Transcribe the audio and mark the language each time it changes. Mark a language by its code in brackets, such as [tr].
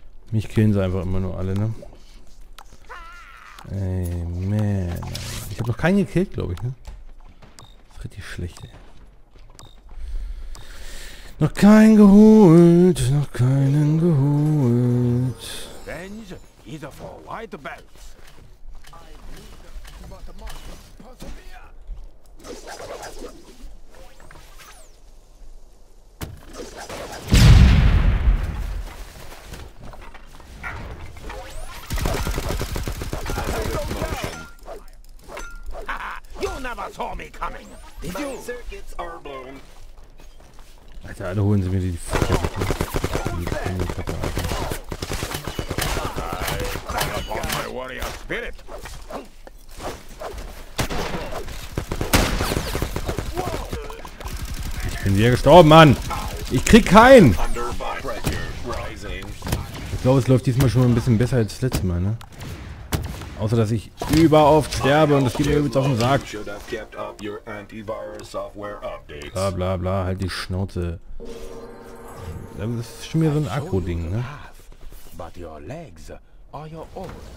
[de] Mich killen sie einfach immer nur alle, ne? Ey, man. Ich habe noch keinen gekillt, glaube ich, ne? Das ist richtig schlecht, ey. Noch keinen geholt, noch keinen geholt. [en] Revenge is for white belts. [de] Alter, alle holen sie mir die Fische. Ich bin hier gestorben, Mann. Ich krieg keinen. Ich glaube, es läuft diesmal schon ein bisschen besser als das letzte Mal, ne? Außer dass ich überoft sterbe und das geht mir übrigens auf den Sack. Bla bla bla, halt die Schnauze. Das ist schon mir so ein Akku-Ding, ne? [en] But your legs are your own.